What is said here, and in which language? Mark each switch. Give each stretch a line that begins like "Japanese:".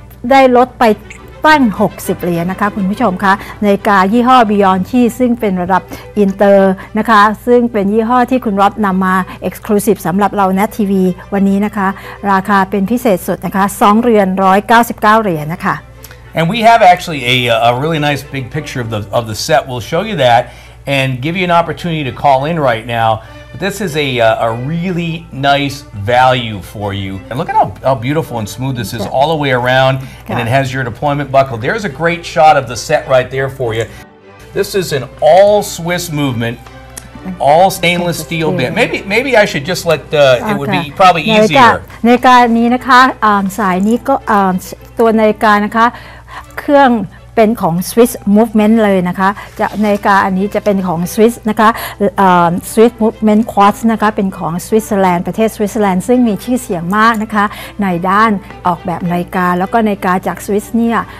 Thai: ได้ลดไปตั้ง60 เหรียญนะคะคุณผู้ชมคะในกายี่ห้อ Beyond Chi ซึ่งเป็นระดับอินเตอร์นะคะซึ่งเป็นยี่ห้อที่คุณร็อบนำมา Exclusive สำหรับเรา Net TV วันนี้นะคะราคาเป็นพิเศษสุดนะคะ2 เรือน199 เหรียญนะคะ
English: And we have actually a really nice big picture of the set. We'll show you that and give you an opportunity to call in right now. But this is a really nice value for you. And look at how beautiful and smooth this is all the way around. And it has your deployment buckle. There's a great shot of the set right there for you. This is an all Swiss movement, all stainless steel bit. Maybe I should just let it would be probably easier.
Thai: ในการนี้นะคะสายนี้ก็ตัวนาฬิกานะคะเครื่องเป็นของ Swiss Movement เลยนะคะจะนาฬิกาอันนี้จะเป็นของ Swiss นะคะSwiss Movement Quartz นะคะเป็นของสวิตเซอร์แลนด์ประเทศสวิตเซอร์แลนด์ซึ่งมีชื่อเสียงมากนะคะในด้านออกแบบนาฬิกาแล้วก็นาฬิกาจากสวิตเนี่ย